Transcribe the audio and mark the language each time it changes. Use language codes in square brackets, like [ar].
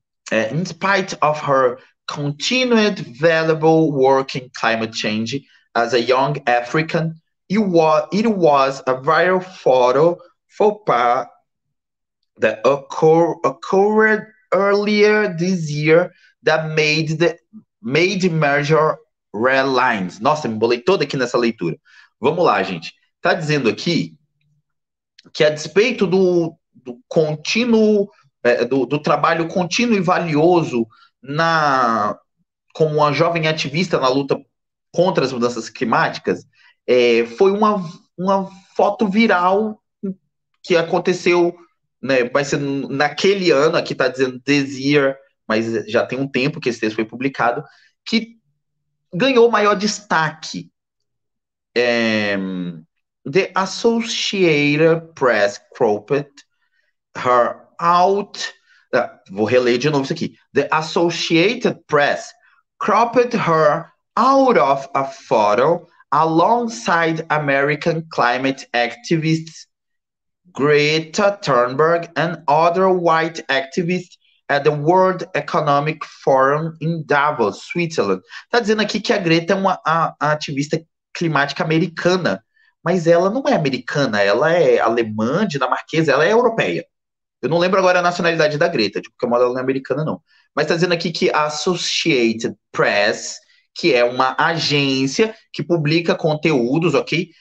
[en] In spite of her continued valuable work in climate change as a young African, it was a viral photo faux pas that occurred earlier this year that made major red lines. [pt] Nossa, me embolei todo aqui nessa leitura. Vamos lá, gente. Tá dizendo aqui que a despeito do contínuo, do trabalho contínuo e valioso como uma jovem ativista na luta contra as mudanças climáticas, foi uma foto viral que aconteceu. Né, vai ser naquele ano, aqui está dizendo [en] this year, [pt] mas já tem um tempo que esse texto foi publicado, que ganhou maior destaque. [en] The Associated Press cropped her out. [pt] Vou reler de novo isso aqui. [en] The Associated Press cropped her out of a photo alongside American climate activists Greta Thunberg and other white activists at the World Economic Forum in Davos, Switzerland. [pt] Está dizendo aqui que a Greta é uma ativista climática americana, mas ela não é americana, ela é alemã, dinamarquesa, ela é europeia. Eu não lembro agora a nacionalidade da Greta, de qualquer modo ela não é americana, não. Mas está dizendo aqui que a Associated Press, que é uma agência que publica conteúdos, ok?